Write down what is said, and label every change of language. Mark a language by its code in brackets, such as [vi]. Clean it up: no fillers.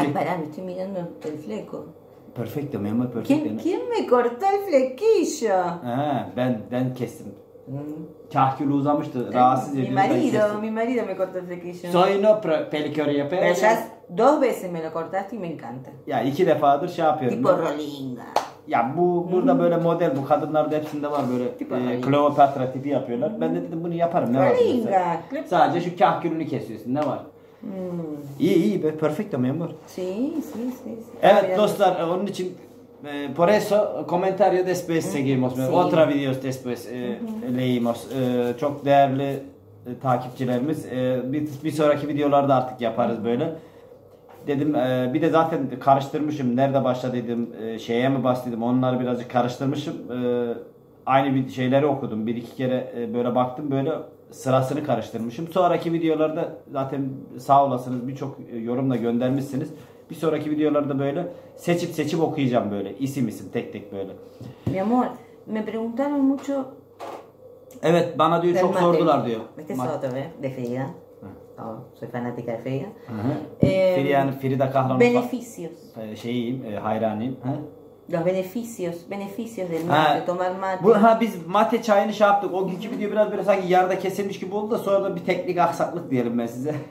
[es] Ay, para, me estoy mirando el fleco. Perfecto, mi amor, perfecto. ¿Quién me cortó el flequillo? [tr] He, ben kestim. Kahkülü uzamıştı, rahatsız ediyordu. [es] Mi marido me cortó el flequillo. Soy no pelicure y pelicure. Dos veces me lo cortaste y me encanta. [tr] Ya, iki defadır şey yapıyorum. [es] Tipo rolinga. [tr] ya bu burada böyle model, bu kadınlarda hepsinde var böyle Kleopatra tipi yapıyorlar. Ben de dedim bunu yaparım, ne var? Sadece şu kahkülünü kesiyorsun, ne var? İyi be, [es] perfecto [tr] memur. [es] Sí. [tr] Evet dostlar, onun için [es] por eso comentario después seguimos. Otra videos después leímos. [tr] Çok değerli takipçilerimiz. Bir sonraki videolarda artık yaparız böyle. Dedim bir de zaten karıştırmışım. Nerede başladıydım, şeye mi başladım, onları birazcık karıştırmışım. Aynı bir şeyleri okudum. Bir iki kere böyle baktım, böyle sırasını karıştırmışım. Sonraki videolarda zaten sağ olasınız birçok yorumla göndermişsiniz. Bir sonraki videolarda böyle seçip okuyacağım böyle. İsim isim tek tek böyle. [es] Mi amor, me preguntaron mucho. [tr] Evet, bana diyor çok mate. Sordular diyor. [es] Este es otro, de Frida. Soy fanática de Frida. [tr] Frida Kahlo'nun [es] beneficios. [tr] Şeyim, hayranıyım. [es] Los beneficios del mate, tomar mate. [tr] Bu, biz mate çayını şey yaptık. O günkü video biraz böyle sanki yarıda kesilmiş gibi oldu da sonra da bir teknik aksaklık diyelim ben size.